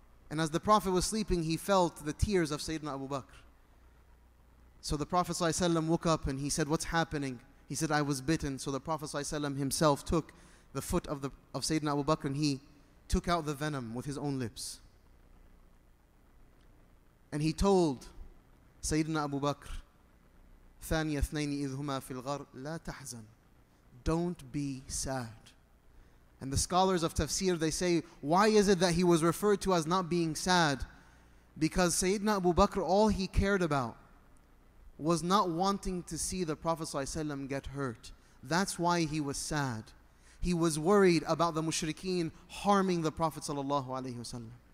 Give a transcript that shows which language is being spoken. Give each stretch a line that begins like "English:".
English: And as the Prophet was sleeping, he felt the tears of Sayyidina Abu Bakr. So the Prophet ﷺ woke up and he said, what's happening? He said, I was bitten. So the Prophet ﷺ himself took the foot of Sayyidina Abu Bakr and he took out the venom with his own lips. And he told Sayyidina Abu Bakr,
Arabic: ثَانِيَ اثْنَيْنِ إِذْهُمَا فِي الْغَرْ لَا تَحْزَنْ.
English: Don't be sad. And the scholars of tafsir, they say, why is it that he was referred to as not being sad? Because Sayyidina Abu Bakr, all he cared about was not wanting to see the Prophet ﷺ get hurt. That's why he was sad. He was worried about the mushrikeen harming the Prophet ﷺ.